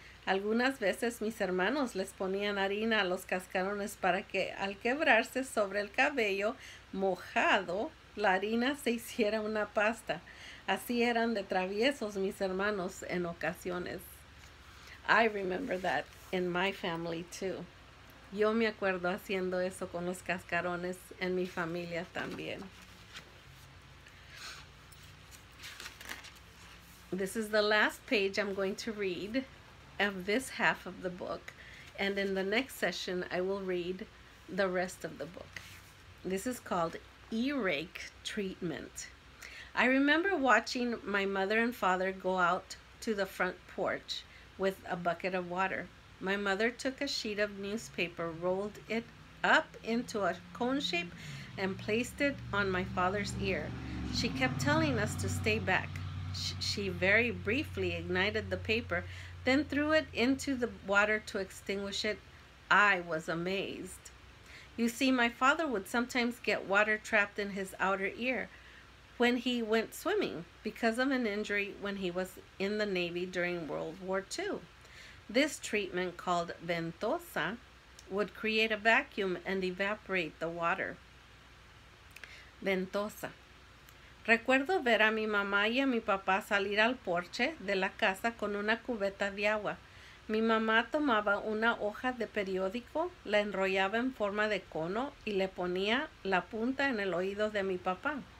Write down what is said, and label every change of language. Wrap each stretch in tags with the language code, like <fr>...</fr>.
<es>Algunas veces mis hermanos les ponían harina a los cascarones para que al quebrarse sobre el cabello mojado, la harina se hiciera una pasta. Así eran de traviesos mis hermanos en ocasiones.</es> <en>I remember that in my family too.</en> <es>Yo me acuerdo haciendo eso con los cascarones en mi familia también.</es> <en>This is the last page I'm going to read of this half of the book. And in the next session, I will read the rest of the book. This is called Earache Treatment. I remember watching my mother and father go out to the front porch with a bucket of water. My mother took a sheet of newspaper, rolled it up into a cone shape, and placed it on my father's ear. She kept telling us to stay back. She very briefly ignited the paper, then threw it into the water to extinguish it. I was amazed. You see, my father would sometimes get water trapped in his outer ear when he went swimming because of an injury when he was in the Navy during World War II. This treatment, called ventosa, would create a vacuum and evaporate the water. Ventosa.</en> <es>Recuerdo ver a mi mamá y a mi papá salir al porche de la casa con una cubeta de agua. Mi mamá tomaba una hoja de periódico, la enrollaba en forma de cono y le ponía la punta en el oído de mi papá.</es>